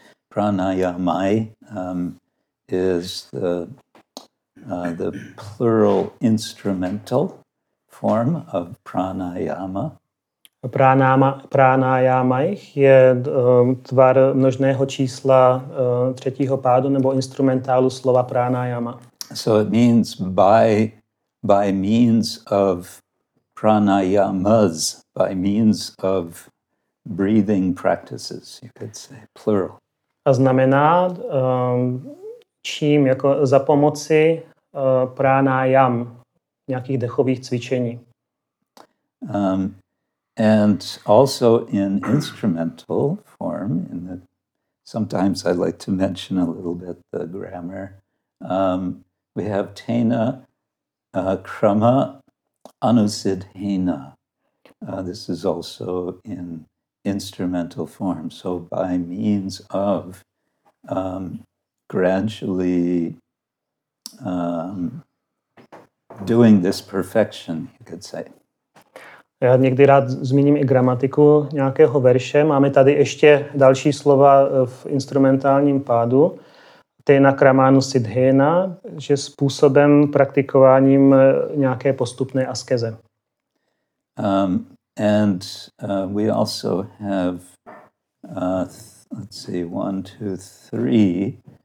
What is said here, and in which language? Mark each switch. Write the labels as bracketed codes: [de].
[en] Pranayamai is the plural instrumental form of pranayama. [cs] Pranayamaich je tvar množného čísla třetího pádu nebo instrumentálu slova pranayama. [en] So it means by means of pranayamas, by means of breathing practices, you could say, plural. [cs] A znamená čím, jako za pomoci pranayam, nějakých dechových cvičení. [en] And also in instrumental form, in the, sometimes I like to mention a little bit the grammar, we have tena, krama, anusidhena. This is also in instrumental form. So by means of gradually doing this perfection, you could say. [cs] Já někdy rád zmíním i gramatiku nějakého verše. Máme tady ještě další slova v instrumentálním pádu. Tena kramánu sidhena, že způsobem praktikováním nějaké postupné askeze. [en] And we also have, let's see, one, two, three.